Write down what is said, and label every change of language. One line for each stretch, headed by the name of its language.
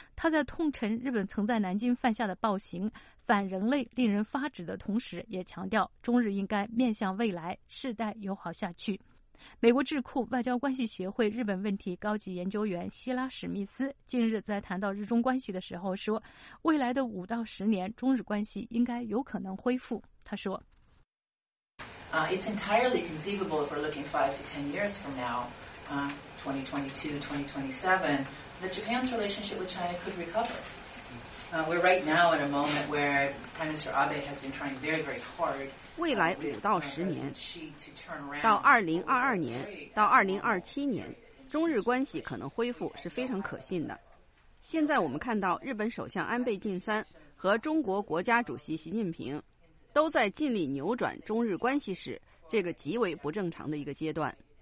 Chinese: 他在痛陈日本曾在南京犯下的暴行反人类令人发指的同时，也强调中日应该面向未来，世代友好下去。美国智库外交关系协会日本问题高级研究员希拉史密斯近日在谈到日中关系的时候说，未来的5到10年中日关系应该有可能恢复。他说，
English: It's entirely conceivable if we're looking 5 to 10 years from now, 2022, 2027, that Japan's relationship with China could recover. We're right now in a moment where Prime Minister Abe has been trying very, very hard.
Chinese: 未来五到十年，到2022年，到2027年，中日关系可能恢复是非常可信的。现在我们看到，日本首相安倍晋三和中国国家主席习近平都在尽力扭转中日关系时，这个极为不正常的一个阶段。